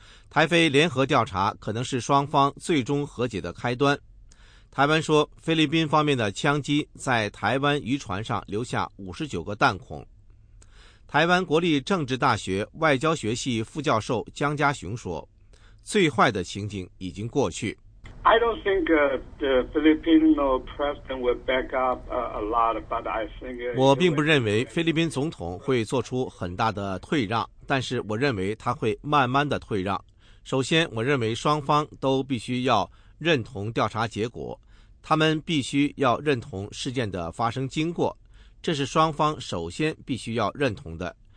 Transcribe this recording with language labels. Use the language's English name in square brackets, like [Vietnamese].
[Chinese] 台菲联合调查可能是双方最终和解的开端。台湾说，菲律宾方面的枪击在台湾渔船上留下59个弹孔。台湾国立政治大学外交学系副教授江家雄说，最坏的情景已经过去。 [English] I don't think the Filipino president will back up a lot, but I think [Chinese] 我并不认为菲律宾总统会做出很大的退让，但是我认为他会慢慢的退让。首先，我认为双方都必须要认同调查结果，他们必须要认同事件的发生经过，这是双方首先必须要认同的。